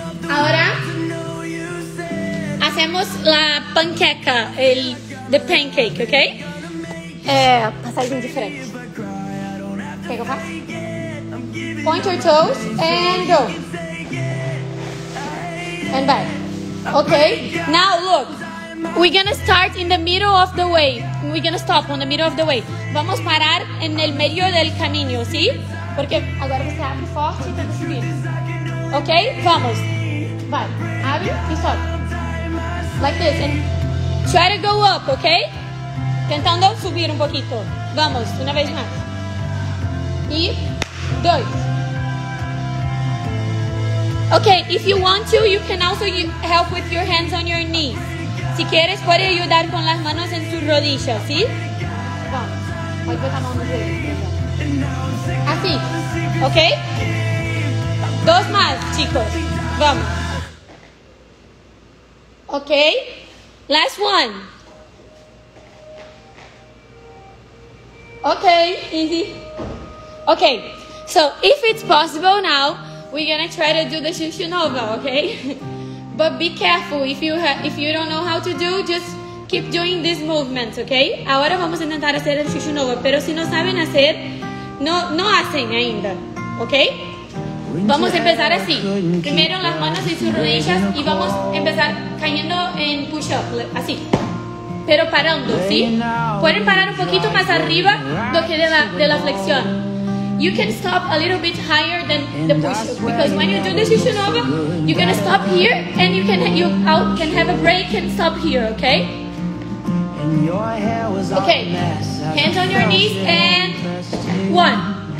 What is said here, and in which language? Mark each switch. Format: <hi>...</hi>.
<es>Ahora hacemos la panqueca,</es> <en>the pancake, okay?</en> <pt>Passagem diferente.</pt> <en>Okay, go fast. Point your toes and go. And back. Okay, now look. We're gonna start in the middle of the way. We're gonna stop on the middle of the way.</en> <es>Vamos parar en el medio del camino, ¿sí?</es> <pt>Porque agora você abre forte e tenta subir. Okay, vamos. Vai, abre e sobe.</pt> <en>Like this. And try to go up, okay?</en> <pt>Tentando subir um pouquinho. Vamos, uma vez mais. E dois.</pt> <en>Okay, if you want to, you can also help with your hands on your knees.</en> <pt>Se queres, pode ajudar com as mãos em sua rodilha, sim? Vamos. Pode botar a mão no joelho. Assim, ok? Dois mais, chicos. Vamos.</pt> <en>Ok? Last one. Ok, easy. Ok, so if it's possible now, we're gonna try to do the Shishinova, ok? But be careful, if you don't know how to do, just keep doing this movement, okay?</en> <es>Agora vamos a tentar hacer el Shishinova, pero si no saben hacer, no hacen ainda, okay? Vamos a empezar así. Primero las manos en sus rodillas y vamos a empezar cayendo en push-up, así. Pero parando, ¿sí? Pueden parar un poquito más arriba lo que de la flexión.</es> <en>You can stop a little bit higher than the push-up because when you do the Shishinova, you're gonna stop here and you can have a break and stop here, okay? Okay, hands on your knees and one.</en>